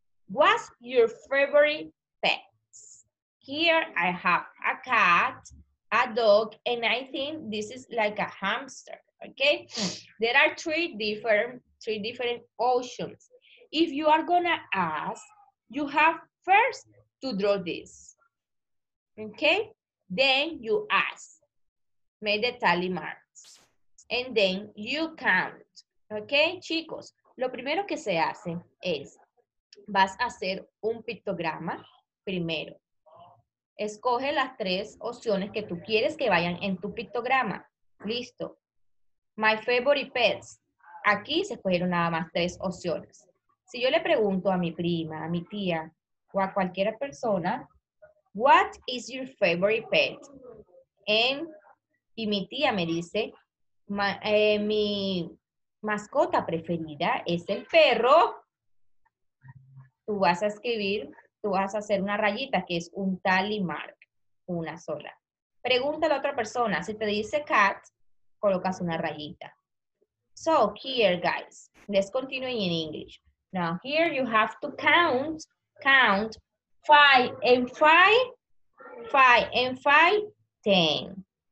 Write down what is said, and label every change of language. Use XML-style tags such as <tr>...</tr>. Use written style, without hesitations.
<en>What's your favorite pet? Here I have a cat, a dog, and I think this is like a hamster, okay? There are three different oceans. If you are gonna ask, you have first to draw this, okay? Then you ask, make the tally marks. and then you count.</en> <es>Okay, chicos, lo primero que se hace es, vas a hacer un pictograma primero. Escoge las tres opciones que tú quieres que vayan en tu pictograma. Listo.</es> <en>My favorite pets.</en> <es>Aquí se escogieron nada más tres opciones. Si yo le pregunto a mi prima, a mi tía o a cualquier persona,</es> <en>what is your favorite pet?</en> <es>Y mi tía me dice, mi mascota preferida es el perro. Tú vas a escribir, tú vas a hacer una rayita que es un tally mark, una sola. Pregúntale a otra persona, si te dice cat, colocas una rayita.</es> <en>So, here guys, let's continue in English. Now here you have to count five and five, ten.</en>